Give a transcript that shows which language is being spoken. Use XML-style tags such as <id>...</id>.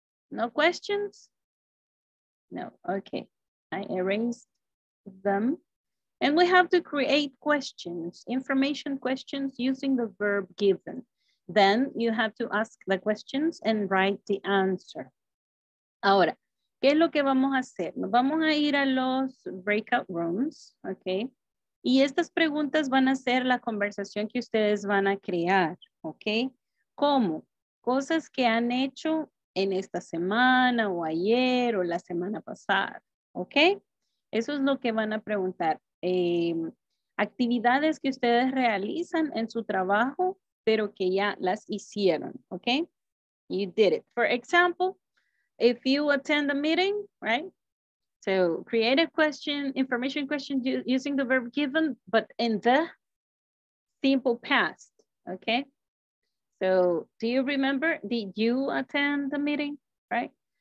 <en>No questions? No, okay. I erased them. And we have to create questions, information questions using the verb given. Then you have to ask the questions and write the answer.</en> <es>Ahora, ¿qué es lo que vamos a hacer? Nos vamos a ir a los breakout rooms, okay? Y estas preguntas van a ser la conversación que ustedes van a crear, okay? ¿Cómo? Cosas que han hecho en esta semana o ayer o la semana pasada, okay? Eso es lo que van a preguntar. Actividades que ustedes realizan en su trabajo, pero que ya las hicieron, okay?</es> <en>You did it. For example, if you attend a meeting, right? So create a question, information question using the verb given, but in the simple past, okay? So do you remember, did you attend the meeting, right?</en>